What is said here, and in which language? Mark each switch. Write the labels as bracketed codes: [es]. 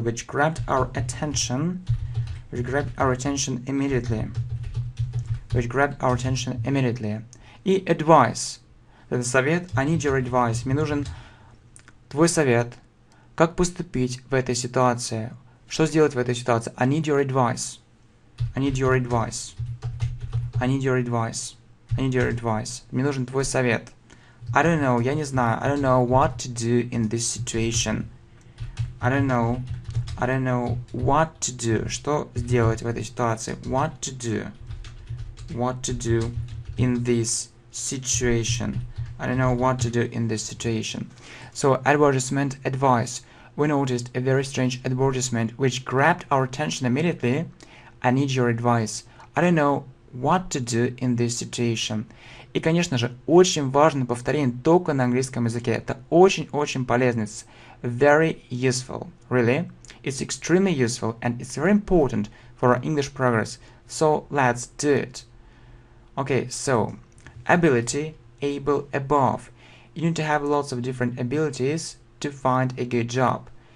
[en] Which grabbed our attention. Which grabbed our attention immediately. Which grabbed our attention immediately. [ru] И [en] advice. [ru] Это совет. [en] I need your advice. [ru] Мне нужен твой совет. Как поступить в этой ситуации? Что сделать в этой ситуации? [en] I need your advice. I need your advice. I need your advice. I need your advice. [ru] Мне нужен твой совет. [en] I don't know, [ru] я не знаю. [en] I don't know what to do in this situation. I don't know what to do. [ru] Что сделать в этой ситуации? [en] What to do? What to do in this situation? I don't know what to do in this situation. So, advertisement advice. We noticed a very strange advertisement which grabbed our attention immediately. I need your advice. I don't know what to do in this situation. [ru] И, конечно же, очень важно повторение только на английском языке. Это очень-очень полезно. [en] It's very useful, really. It's extremely useful and it's very important for our English progress. So, let's do it. Okay, so, ability, able, above. You need to have lots of different abilities to find a good job.